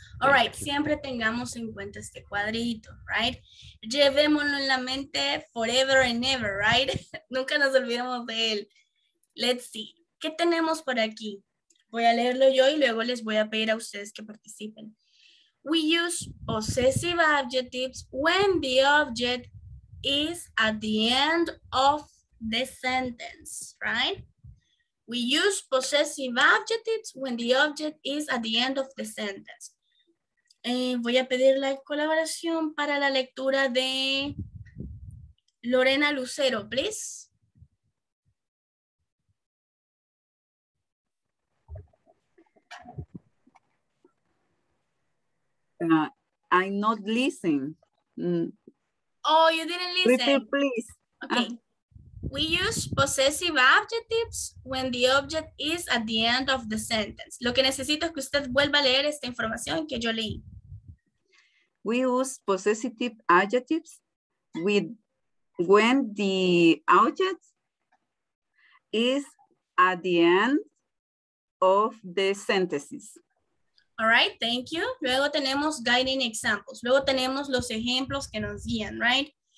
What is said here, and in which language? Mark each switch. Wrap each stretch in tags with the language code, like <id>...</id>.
<en>All right,</en> <es>siempre tengamos en cuenta este cuadrito,</es> <en>right?</en> <es>Llevémoslo en la mente</es> <en>forever and ever, right?</en> <es>Nunca nos olvidemos de él.</es> <en>Let's see.</en> <es>¿Qué tenemos por aquí? Voy a leerlo yo y luego les voy a pedir a ustedes que participen.</es> <en>We use possessive adjectives when the object is at the end of the sentence, right? We use possessive adjectives when the object is at the end of the sentence.</en> <es>Voy a pedir la colaboración para la lectura de Lorena Lucero,</es> <en>please. I not listen. Oh, you didn't listen. Repeat, please. Okay. We use possessive adjectives when the object is at the end of the sentence.</en> <es>Lo que necesito es que usted vuelva a leer esta información que yo leí.</es> <en>We use possessive adjectives with when the object is at the end of the sentences. All right, thank you.</en> <es>Luego tenemos</es> <en>guiding examples.</en> <es>Luego tenemos los ejemplos que nos guían,</es> <en>right?</en>